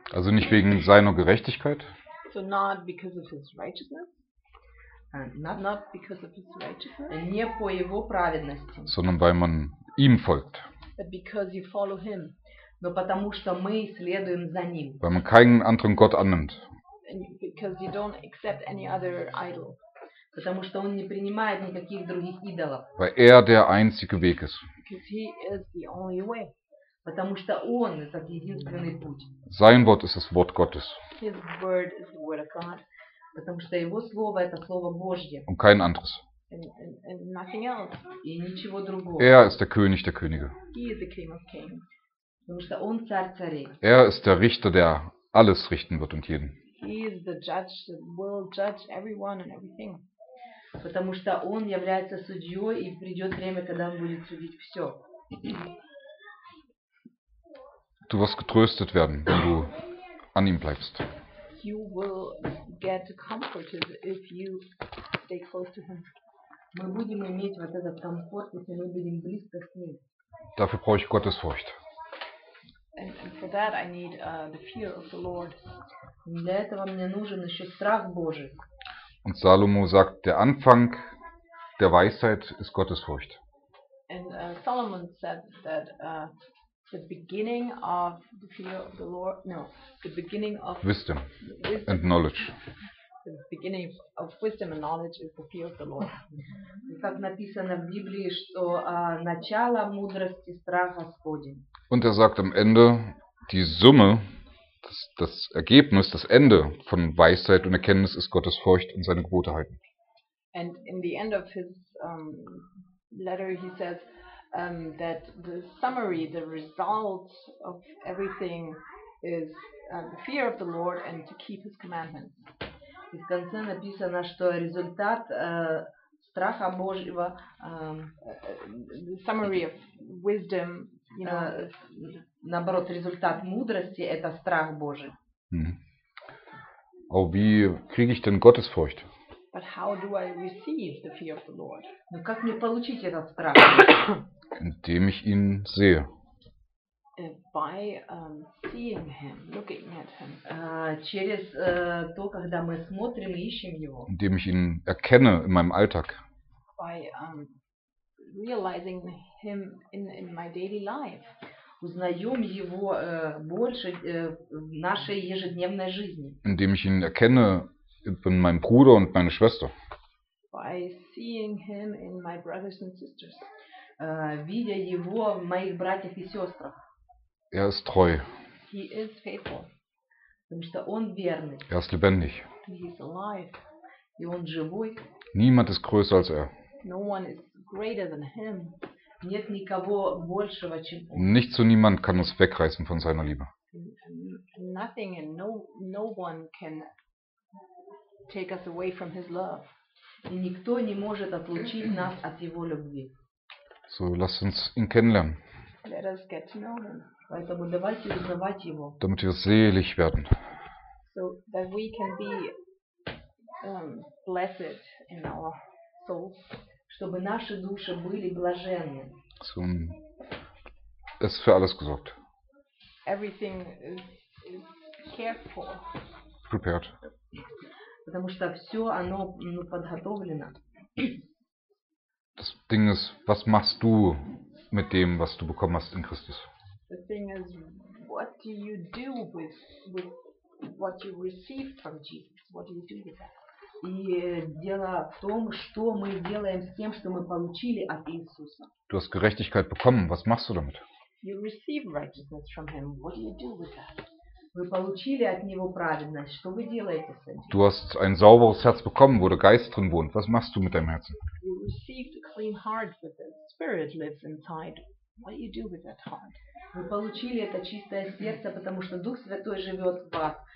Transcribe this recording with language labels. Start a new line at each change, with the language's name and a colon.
German: Also nicht wegen seiner Gerechtigkeit.
English: So not because of his righteousness. Not because of his righteousness.
Russian: Не по его праведности.
German: Sondern weil man ihm folgt.
English: But because you follow him.
Russian: Но потому что мы следуем за ним.
German: Weil man keinen anderen Gott annimmt.
English: And because you don't accept any other idol.
Russian: Потому что он не принимает никаких других идолов.
German: Weil der einzige Weg ist.
English: Because he is the only way.
Russian: Потому что он этот единственный путь.
German: Sein Wort ist das Wort Gottes.
English: His word is the word of God.
Russian: Потому что его слово это слово Божье.
German: Und kein anderes.
English: And nothing else.
Russian: И ничего другого.
German: Ist der König der Könige.
English: He is the King of Kings.
Russian: Потому что он царь царей.
German: Ist der Richter, der alles richten wird und jeden.
English: He is the judge that will judge everyone and everything.
Russian: Потому что он является судьей и придет время, когда он будет судить все.
German: Du wirst getröstet werden, wenn du an ihm bleibst.
English: You will get comforted if you stay close to him.
Russian: Мы будем иметь вот этот комфорт, если мы будем близко с ним.
German: Dafür brauche ich Gottes Furcht.
English: And for that I need the fear of the Lord.
Russian: Для этого мне нужен еще страх Божий.
German: Und Salomo sagt, der Anfang der Weisheit ist Gottes Furcht.
English: And Solomon said that the beginning of the fear of the Lord, no, the beginning of wisdom and knowledge. The beginning of wisdom and knowledge is the fear of the Lord.
Russian: Как написано в Библии, что начало мудрости страх Господень.
German: Und er sagt am Ende, die Summe, das Ergebnis, das Ende von Weisheit und Erkenntnis ist Gottes Furcht und seine Gebote halten.
English: And in the end of his letter he says that the summary, the result of everything is the fear of the Lord and to keep his commandments.
Russian: И в конце написано, что результат страха Божьего,
English: the summary of wisdom, you know,
Russian: наоборот, результат мудрости – это страх Божий.
German: Aber wie kriege ich denn Gottesfurcht?
English: But how do I receive the fear of the Lord?
Russian: Ну как мне получить этот страх?
German: Indem ich ihn sehe.
English: By seeing him, looking at him.
Russian: Через то, когда мы смотрим и ищем его.
German: Indem ich ihn erkenne in meinem Alltag.
English: By realizing him in my daily life.
Russian: Узнаем его больше в нашей ежедневной жизни.
German: Indem ich ihn erkenne in meinem Bruder und meine Schwester.
English: By seeing him in my brothers and sisters.
Russian: Видя его в моих братьях и сестрах.
German: Er ist treu.
English: He is faithful.
Russian: Потому что он верный.
German: Er ist lebendig.
English: He is alive.
Russian: И он живой.
German: Niemand ist größer als er.
English: No one is greater than him.
Russian: Нет никого большего, чем он.
German: Nichts und niemand kann uns wegreißen von seiner Liebe.
English: Nothing and no one can take us away from his love.
Russian: И никто не может отлучить нас от его любви.
German: So, lasst uns ihn kennenlernen.
English: Let us get to know him.
Russian: Поэтому давайте узнавать его.
German: Damit wir selig werden.
English: So that we can be blessed in our souls.
Russian: Чтобы наши души были блаженны.
German: So, es ist für alles gesorgt.
English: Everything is cared for. Prepared.
Russian: Потому что все оно подготовлено.
German: Das Ding ist, was machst du mit dem, was du bekommen hast in Christus?
English: The thing is, what do you do with what you received from Jesus? What do you do with that?
Russian: И дело в том, что мы делаем с тем, что мы получили от Иисуса.
German: Du hast Gerechtigkeit bekommen. Was machst du damit?
English: You receive righteousness from him. What do you do with that?
Russian: Вы получили от него праведность. Что вы делаете с этим?
German: Du hast ein sauberes Herz bekommen, wo der Geist drin wohnt. Was machst du mit deinem Herzen?
English: You received a clean heart, but the Spirit lives inside. What do you do with that heart?
Russian: Вы получили это чистое сердце, потому что Дух Святой живет в вас.